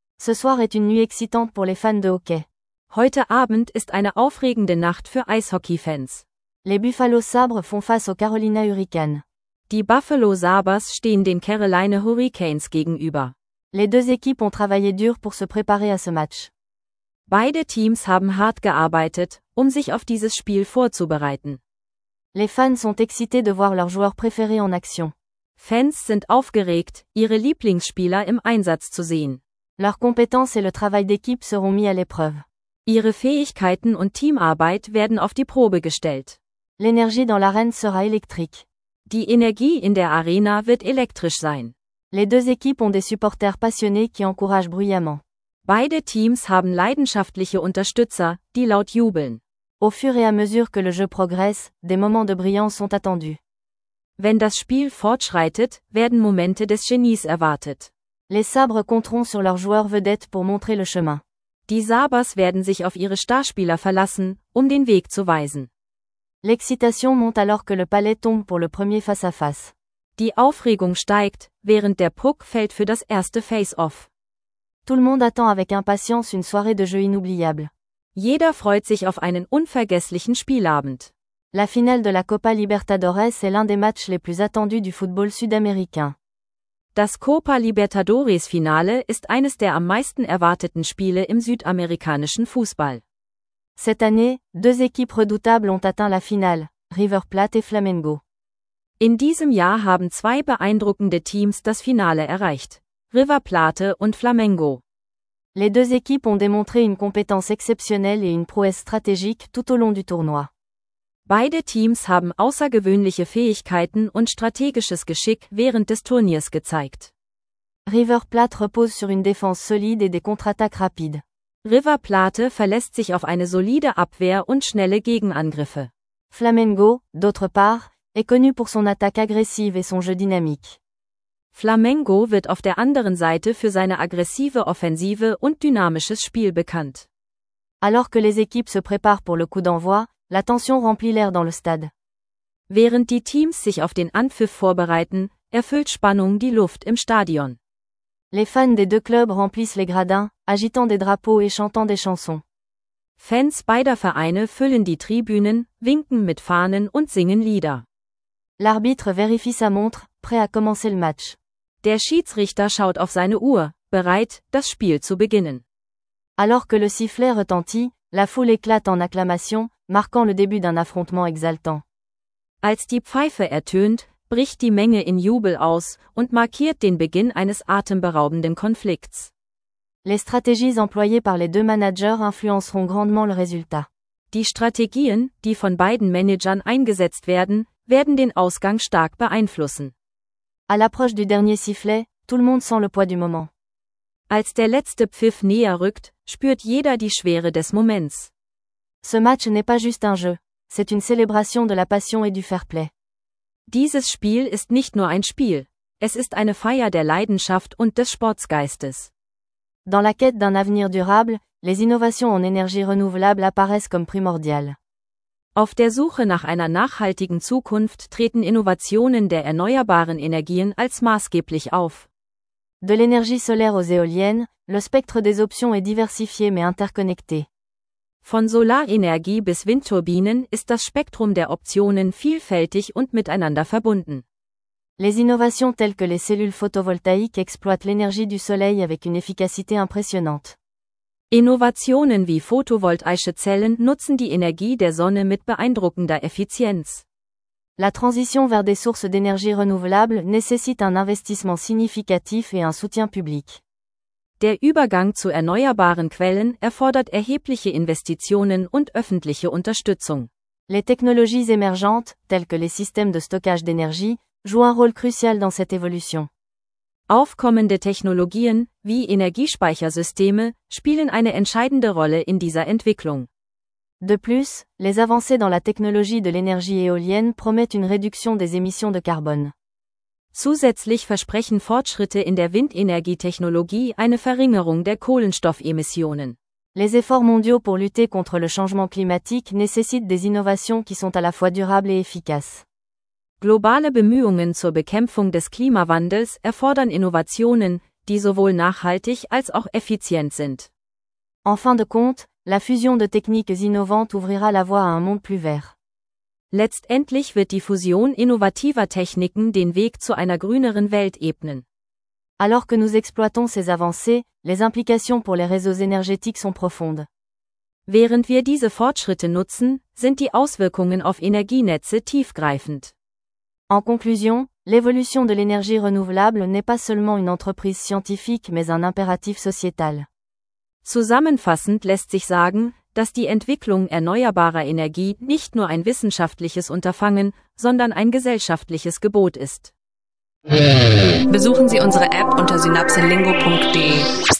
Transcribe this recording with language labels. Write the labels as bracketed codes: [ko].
[fr] Ce soir est une nuit excitante pour les fans de hockey. [de] Heute Abend ist eine aufregende Nacht für Eishockey-Fans. [fr] Les Buffalo Sabres font face aux Carolina Hurricanes. [de] Die Buffalo Sabres stehen den Carolina Hurricanes gegenüber. [fr] Les deux équipes ont travaillé dur pour se préparer à ce match. [de] Beide Teams haben hart gearbeitet, um sich auf dieses Spiel vorzubereiten. [fr] Les fans sont excités de voir leurs joueurs préférés en action. [de] Fans sind aufgeregt, ihre Lieblingsspieler im Einsatz zu sehen. [fr] Leurs compétences et le travail d'équipe seront mis à l'épreuve. [de] Ihre Fähigkeiten und Teamarbeit werden auf die Probe gestellt. [fr] L'énergie dans l'arène sera électrique. [de] Die Energie in der Arena wird elektrisch sein. [fr] Les deux équipes ont des supporters passionnés qui encouragent bruyamment. [de] Beide Teams haben leidenschaftliche Unterstützer, die laut jubeln. [fr] Au fur et à mesure que le jeu progresse, des moments de brillance sont attendus. [de] Wenn das Spiel fortschreitet, werden Momente des Genies erwartet. [fr] Les Sabres compteront sur leurs joueurs vedettes pour montrer le chemin. [de] Die Sabres werden sich auf ihre Starspieler verlassen, um den Weg zu weisen. [fr] L'excitation monte alors que le palais tombe pour le premier face-à-face. [de] Die Aufregung steigt, während der Puck fällt für das erste Face-off. [fr] Tout le monde attend avec impatience une soirée de jeu inoubliable. [de] Jeder freut sich auf einen unvergesslichen Spielabend. [fr] La finale de la Copa Libertadores est l'un des matchs les plus attendus du football sud-américain. [de] Das Copa Libertadores Finale ist eines der am meisten erwarteten Spiele im südamerikanischen Fußball. [fr] Cette année, deux équipes redoutables ont atteint la finale, River Plate et Flamengo. [de] In diesem Jahr haben zwei beeindruckende Teams das Finale erreicht. River Plate und Flamengo. [fr] Les deux équipes ont démontré une compétence exceptionnelle et une prouesse stratégique tout au long du tournoi. [de] Beide Teams haben außergewöhnliche Fähigkeiten und strategisches Geschick während des Turniers gezeigt. [fr] River Plate repose sur une défense solide et des contre-attaques rapides. [de] River Plate verlässt sich auf eine solide Abwehr und schnelle Gegenangriffe. [fr] Flamengo, d'autre part, est connu pour son attaque agressive et son jeu dynamique. [de] Flamengo wird auf der anderen Seite für seine aggressive Offensive und dynamisches Spiel bekannt. [fr] Alors que les équipes se préparent pour le coup d'envoi, la tension remplit l'air dans le stade. [de] Während die Teams sich auf den Anpfiff vorbereiten, erfüllt Spannung die Luft im Stadion. [fr] Les fans des deux clubs remplissent les gradins, agitant des drapeaux et chantant des chansons. [de] Fans beider Vereine füllen die Tribünen, winken mit Fahnen und singen Lieder. [fr] L'arbitre vérifie sa montre, prêt à commencer le match. [de] Der Schiedsrichter schaut auf seine Uhr, bereit, das Spiel zu beginnen. [fr] Alors que le sifflet retentit, la foule éclate en acclamations, marquant le début d'un affrontement exaltant. [de] Als die Pfeife ertönt, bricht die Menge in Jubel aus und markiert den Beginn eines atemberaubenden Konflikts. [fr] Les stratégies employées par les deux managers influenceront grandement le résultat. [de] Die Strategien, die von beiden Managern eingesetzt werden, werden den Ausgang stark beeinflussen. [fr] À l'approche du dernier sifflet, tout le monde sent le poids du moment. [de] Als der letzte Pfiff näher rückt, spürt jeder die Schwere des Moments. [fr] Ce match n'est pas juste un jeu, c'est une célébration de la passion et du fair-play. [de] Dieses Spiel ist nicht nur ein Spiel, es ist eine Feier der Leidenschaft und des Sportsgeistes. [fr] Dans la quête d'un avenir durable, les innovations en énergie renouvelable apparaissent comme primordiales. [de] Auf der Suche nach einer nachhaltigen Zukunft treten Innovationen der erneuerbaren Energien als maßgeblich auf. [fr] De l'énergie solaire aux éoliennes, le spectre des options est diversifié mais interconnecté. [de] Von Solarenergie bis Windturbinen ist das Spektrum der Optionen vielfältig und miteinander verbunden. [fr] Les innovations telles que les cellules photovoltaïques exploitent l'énergie du soleil avec une efficacité impressionnante. [de] Innovationen wie photovoltaische Zellen nutzen die Energie der Sonne mit beeindruckender Effizienz. [fr] La transition vers des sources d'énergie renouvelable nécessite un investissement significatif et un soutien public. [de] Der Übergang zu erneuerbaren Quellen erfordert erhebliche Investitionen und öffentliche Unterstützung. [fr] Les technologies émergentes, telles que les systèmes de stockage d'énergie, jouent un rôle crucial dans cette évolution. [de] Aufkommende Technologien, wie Energiespeichersysteme, spielen eine entscheidende Rolle in dieser Entwicklung. [fr] De plus, les avancées dans la technologie de l'énergie éolienne promettent une réduction des émissions de carbone. [de] Zusätzlich versprechen Fortschritte in der Windenergietechnologie eine Verringerung der Kohlenstoffemissionen. [fr] Les efforts mondiaux pour lutter contre le changement climatique nécessitent des innovations qui sont à la fois durables et efficaces. [de] Globale Bemühungen zur Bekämpfung des Klimawandels erfordern Innovationen, die sowohl nachhaltig als auch effizient sind. [fr] En fin de compte, la fusion de techniques innovantes ouvrira la voie à un monde plus vert. [de] Letztendlich wird die Fusion innovativer Techniken den Weg zu einer grüneren Welt ebnen. [fr] Alors que nous exploitons ces avancées, les implications pour les réseaux énergétiques sont profondes. [de] Während wir diese Fortschritte nutzen, sind die Auswirkungen auf Energienetze tiefgreifend. [fr] En conclusion, l'évolution de l'énergie renouvelable n'est pas seulement une entreprise scientifique, mais un impératif sociétal. [de] Zusammenfassend lässt sich sagen, dass die Entwicklung erneuerbarer Energie nicht nur ein wissenschaftliches Unterfangen, sondern ein gesellschaftliches Gebot ist. Besuchen Sie unsere App unter synapselingo.de.